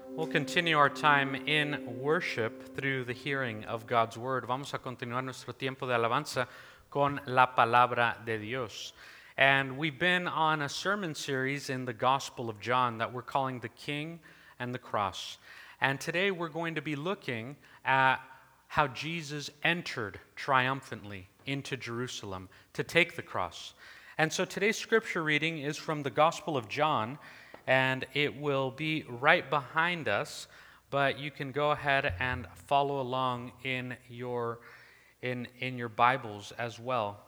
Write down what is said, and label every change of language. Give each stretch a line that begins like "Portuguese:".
English: continue our time in worship through the hearing of God's word.
Spanish: Vamos a continuar nuestro tiempo de alabanza con la palabra de Dios.
English: And we've been on a sermon series in the Gospel of John that we're calling The King and the Cross. And today we're going to be looking at how Jesus entered triumphantly into Jerusalem to take the cross. And so today's scripture reading is from the Gospel of John, and it will be right behind us, but you can go ahead and follow along in your Bibles as well.